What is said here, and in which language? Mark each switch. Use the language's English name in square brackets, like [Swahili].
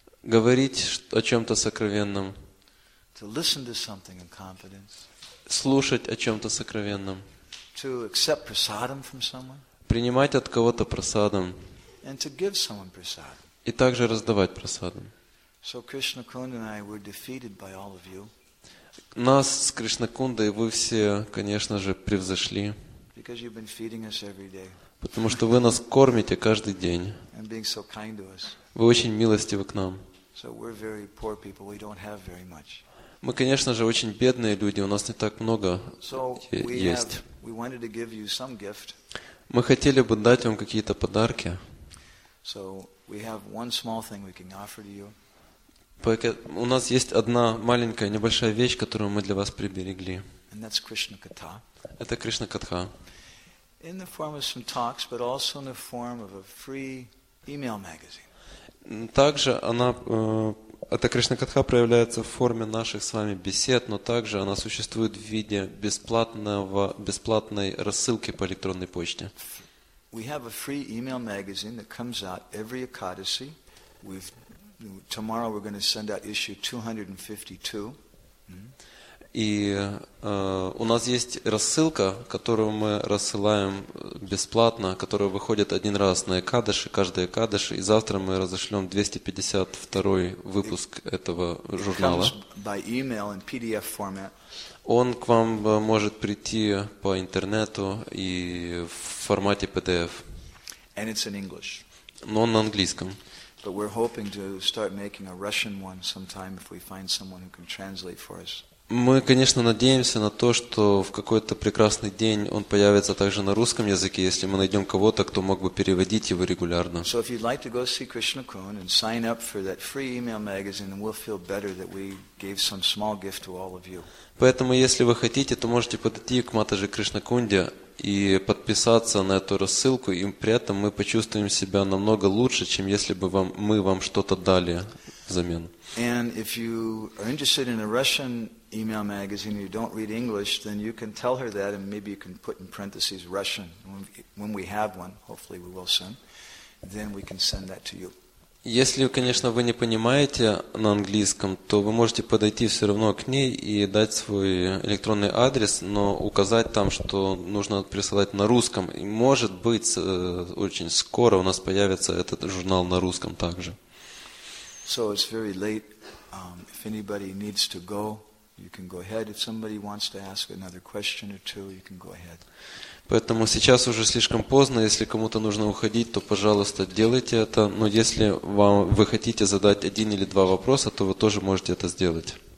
[Russian] Говорить о чем-то сокровенном. [English] To listen to something in confidence. [Russian] Слушать о чем-то сокровенном. [English] To accept prasadam from someone. [Russian] Принимать от кого-то прасадам. [English] And to give someone prasadam. [Russian] И также раздавать прасадам. [English] So Krishna Kund and I were defeated by all of you. [Russian] Нас с Кришнакундой вы все, конечно же, превзошли. [English] Because you've been feeding us every day. [Russian] Потому что вы нас кормите каждый день. [English] And being so kind to us. [Russian] Вы очень милостивы к нам. [English] So we're very poor people. We don't have very much. [Russian] Мы, конечно же, очень бедные люди. У нас не так много есть. [English] We wanted to give you some gift. [Russian] Мы хотели бы дать вам какие-то подарки. [English] So we have one small thing we can offer to you. [Russian] У нас есть одна маленькая небольшая вещь, которую мы для вас приберегли. [English] And that's Krishna Katha. [Russian] Это Кришна Катха. [English] In the form of some talks, but also in the form of a free email magazine. [Russian] Также она эта Кришна Катха проявляется в форме наших с вами бесед, но также она существует в виде бесплатной рассылки по электронной почте. [English] We have a free email magazine that comes out every Ekadasi. Tomorrow we're going to send out issue 252. [Russian] И у нас есть рассылка, которую мы рассылаем бесплатно, которая выходит один раз на Экадаши, каждый Экадаши, и завтра мы разошлем 252-й выпуск этого журнала. [English] By email in PDF format. [Russian] Он к вам может прийти по интернету и в формате PDF. [English] And it's in English. [Russian] Но он на английском. [English] But we're hoping to start making a Russian one sometime if we find someone who can translate for us. [Russian] Мы, конечно, надеемся на то, что в какой-то прекрасный день он появится также на русском языке, если мы найдем кого-то, кто мог бы переводить его регулярно. [English] So if you'd like to go see Krishna Kund and sign up for that free email magazine, then we'll feel better that we gave some small gift to all of you. [Russian] Поэтому, если вы хотите, то можете подойти к Матаджи Кришнакунде и подписаться на эту рассылку, и при этом мы почувствуем себя намного лучше, чем если бы мы вам что-то дали взамен. [English] And if you are interested in a Russian email magazine, you don't read English, then you can tell her that, and maybe you can put in parentheses Russian. When we have one, hopefully we will soon, then we can send that to you. [Russian] Если, конечно, вы не понимаете на английском, то вы можете подойти все равно к ней и дать свой электронный адрес, но указать там, что нужно присылать на русском. И, может быть, очень скоро у нас появится этот журнал на русском также. [English] So it's very late. If anybody needs to go, you can go ahead. If somebody wants to ask another question or two, you can go ahead. [Russian] Поэтому сейчас уже слишком поздно, если кому-то нужно уходить, то, пожалуйста, делайте это. Но если вы хотите задать один или два вопроса, то вы тоже можете это сделать.